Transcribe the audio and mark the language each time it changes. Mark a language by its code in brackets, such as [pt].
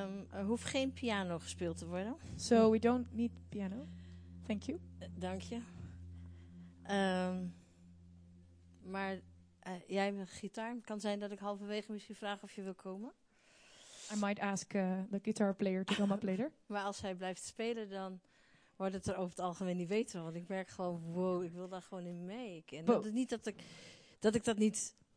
[nl] Er hoeft geen piano gespeeld te worden. [en] So we don't need piano. Thank you. [nl] Dank je. Maar jij met gitaar. Het kan zijn dat ik halverwege misschien vraag of je wil komen. [en] I might ask the guitar player to come up later. [nl] Maar als hij blijft spelen, dan wordt het er over het algemeen niet beter. Want ik merk gewoon, wow, ik wil daar gewoon in mee. En dat is niet dat ik dat niet...